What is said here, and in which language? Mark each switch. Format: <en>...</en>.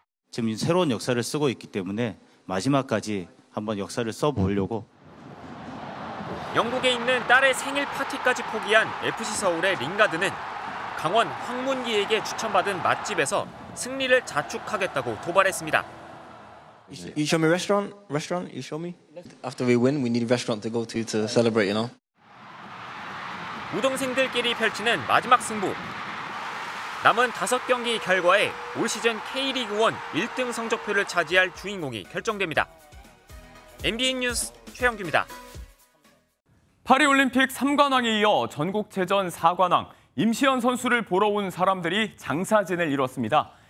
<ko>지금 새로운 역사를 쓰고 있기 때문에 마지막까지 한번 역사를 써보려고. 영국에 있는 딸의 생일 파티까지 포기한 FC서울의 링가드는 강원 황문기에게 추천받은 맛집에서 승리를 자축하겠다고 도발했습니다.</ko> <en>You show me restaurant? Restaurant? You show me? After we win, we need a restaurant to go to celebrate, you know?</en> <ko>우등생들끼리 펼치는 마지막 승부. 남은 5경기 결과에 올 시즌 K리그 1 1등 성적표를 차지할 주인공이 결정됩니다. MBN 뉴스 최영규입니다. 파리올림픽 3관왕에 이어 전국체전 4관왕, 임시연 선수를 보러 온 사람들이 장사진을 이뤘습니다.</ko>